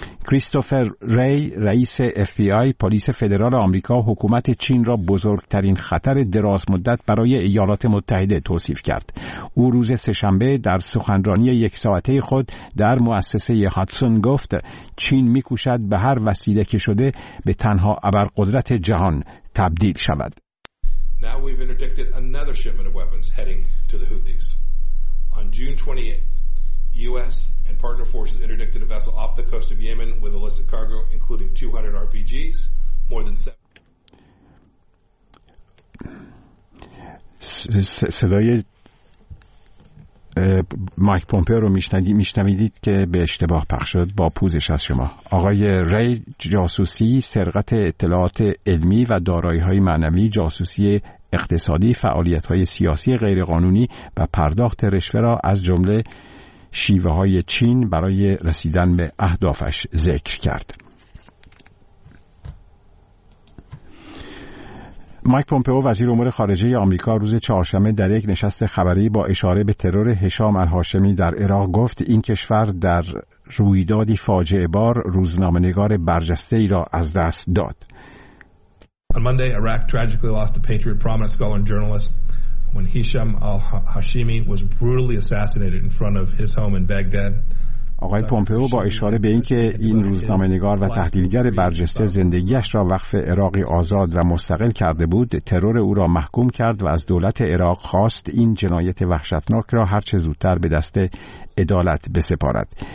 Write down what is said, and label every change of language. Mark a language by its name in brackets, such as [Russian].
[Persian] کریستوفر ری رئیس FBI پلیس فدرال آمریکا حکومت چین را بزرگترین خطر دراز مدت برای ایالات متحده توصیف کرد. او روز سه‌شنبه در سخنرانی یک ساعته خود در مؤسسه هاتسون گفت چین می‌کوشد به هر وسیله که شده به تنها ابرقدرت جهان تبدیل شود. [English] Now we've interdicted another shipment of weapons heading to the Houthis. On June 28th, US and partner forces interdicted a vessel off the coast of Yemen with illicit cargo including 200 RPGs, more than 7. [Persian] صدای مایک پومپئو رو میشنوید که به اشتباه پخش شد. با پوزش از شما. آقای ری جاسوسی، سرقت اطلاعات علمی و دارایی‌های معنوی، جاسوسی اقتصادی، فعالیت‌های سیاسی غیرقانونی و پرداخت رشوه را از جمله شیوه های چین برای رسیدن به اهدافش ذکر کرد. مایک پومپئو وزیر امور خارجه آمریکا روز چهارشنبه در یک نشست خبری با اشاره به ترور هشام الهاشمی در عراق گفت این کشور در رویدادی فاجعه بار روزنامه نگار برجسته ای را از دست داد. [English] On Monday, Iraq tragically lost a patriot, prominent scholar and journalist when Hisham al-Hashimi was brutally assassinated in front of his home in Baghdad. [Persian] آقای پومپئو با اشاره به اینکه این روزنامه‌نگار و تحلیلگر برجسته زندگیش را وقف عراقی آزاد و مستقل کرده بود، ترور او را محکوم کرد و از دولت عراق خواست این جنایت وحشتناک را هر چه زودتر به دست عدالت بسپارد.